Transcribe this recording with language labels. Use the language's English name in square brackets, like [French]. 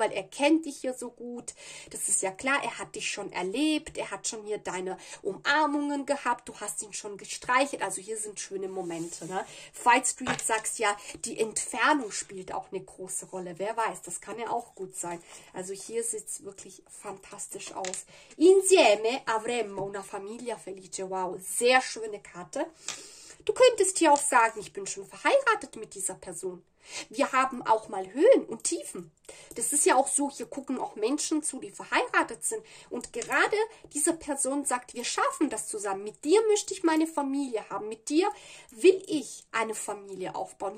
[German] Weil er kennt dich hier so gut. Das ist ja klar, er hat dich schon erlebt, er hat schon hier deine Umarmungen gehabt, du hast ihn schon gestreichelt, also hier sind schöne Momente, ne? Falls du jetzt sagst, ja, die Entfernung spielt auch eine große Rolle. Wer weiß, das kann ja auch gut sein. Also hier sieht es wirklich fantastisch aus. [Italian] Insieme avremmo una famiglia felice. [German] Wow, sehr schöne Karte. Du könntest hier auch sagen, ich bin schon verheiratet mit dieser Person. Wir haben auch mal Höhen und Tiefen. Das ist ja auch so, hier gucken auch Menschen zu, die verheiratet sind. Und gerade diese Person sagt, wir schaffen das zusammen. Mit dir möchte ich meine Familie haben. Mit dir will ich eine Familie aufbauen.